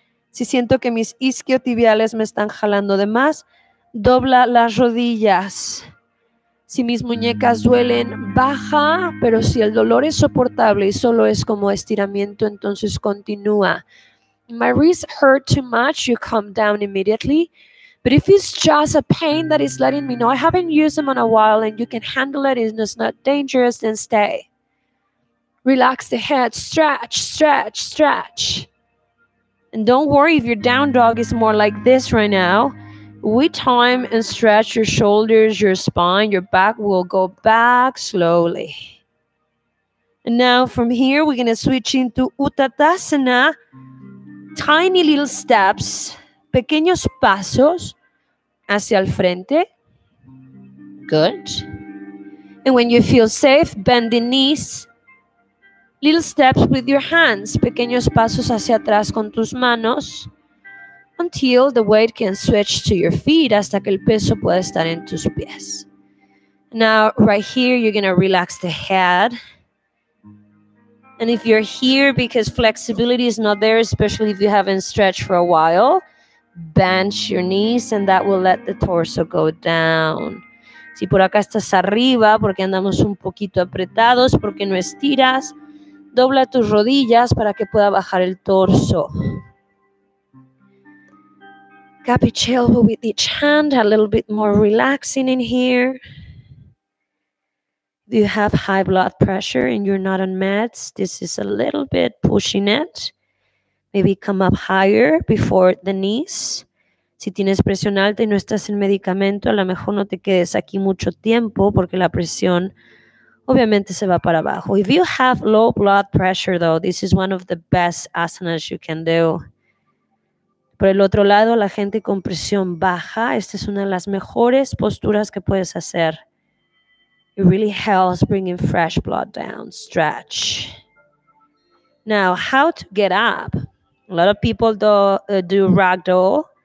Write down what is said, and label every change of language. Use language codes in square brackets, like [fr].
[es] Si siento que mis isquiotibiales me están jalando de más, dobla las rodillas. Si mis muñecas duelen, baja, pero si el dolor es soportable y solo es como estiramiento, entonces continúa. [en] My wrists hurt too much, you calm down immediately. But if it's just a pain that is letting me know I haven't used them in a while and you can handle it and it's not dangerous, then stay. Relax the head, stretch, stretch, stretch. And don't worry if your down dog is more like this right now. We time and stretch your shoulders, your spine, your back will go back slowly. And now from here, we're going to switch into Uttanasana. Tiny little steps, [es] pequeños pasos hacia el frente. [en] Good. And when you feel safe, bend the knees. Little steps with your hands, [es] pequeños pasos hacia atrás con tus manos. [en] Until the weight can switch to your feet, [es] hasta que el peso puede estar en tus pies. [en] Now, right here, you're going to relax the head. And if you're here because flexibility is not there, especially if you haven't stretched for a while, bend your knees and that will let the torso go down. [es] Si por acá estás arriba, porque andamos un poquito apretados, porque no estiras, dobla tus rodillas para que pueda bajar el torso. [en] Capiche elbow with each hand, a little bit more relaxing in here. Do you have high blood pressure and you're not on meds? This is a little bit pushing it. Maybe come up higher before the knees. [es] Si tienes presión alta y no estás en medicamento, a lo mejor no te quedes aquí mucho tiempo porque la presión obviamente se va para abajo. [en] If you have low blood pressure though, this is one of the best asanas you can do. [es] Por el otro lado, la gente con presión baja, esta es una de las mejores posturas que puedes hacer. [en] It really helps bringing fresh blood down. Stretch. Now, how to get up? A lot of people do ragdoll.